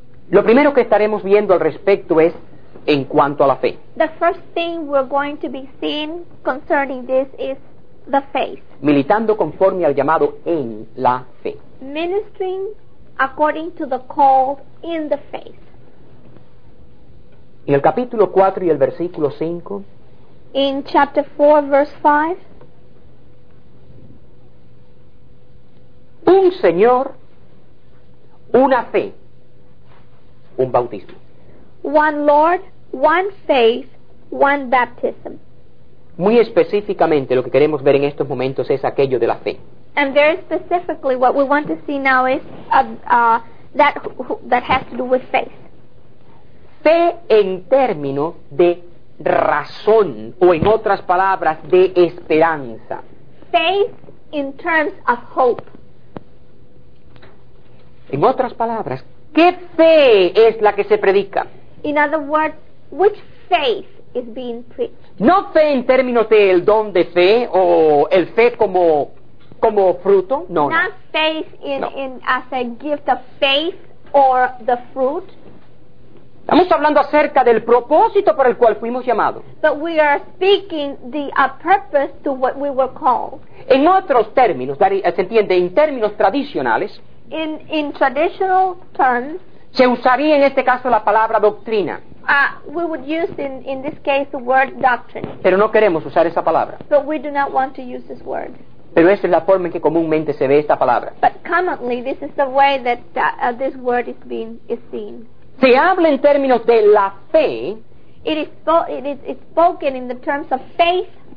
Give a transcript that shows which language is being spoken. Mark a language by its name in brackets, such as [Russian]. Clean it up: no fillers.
[Spanish] Lo primero que estaremos viendo al respecto es en cuanto a la fe. [English] The first thing we're going to be seeing concerning this is the faith. [Spanish] Militando conforme al llamado en la fe. [English] Ministering according to the call in the faith. [Spanish] En el capítulo 4 y el versículo 5. [English] In chapter 4, verse 5. [Spanish] Un Señor, una fe, un bautismo. [English] One Lord, one faith, one baptism. [Spanish] Muy específicamente lo que queremos ver en estos momentos es aquello de la fe. [English] And very specifically what we want to see now is that has to do with faith. [Spanish] Fe en términos de razón, o en otras palabras, de esperanza. [English] Faith in terms of hope. [Spanish] En otras palabras, ¿qué fe es la que se predica? [English] In other words, which faith is being preached? [Spanish] No fe en términos del don de fe, o el fe como fruto, no. [English] Not no. Faith in as a gift of faith, or the fruit. [Spanish] Estamos hablando acerca del propósito para el cual fuimos llamados. [English] But we are speaking a purpose to what we were called. [Spanish] En otros términos, se entiende, en términos tradicionales. [English] In traditional terms. [Spanish] Se usaría en este caso la palabra doctrina. [English] We would use in this case the word doctrine. [Spanish] Pero no queremos usar esa palabra. [English] But we do not want to use this word. [Spanish] Pero esa es la forma en que comúnmente se ve esta palabra. [English] But commonly this is the way that this word is being is seen. [Spanish] Se habla en términos de la fe. [English] It is spoken in the terms of faith.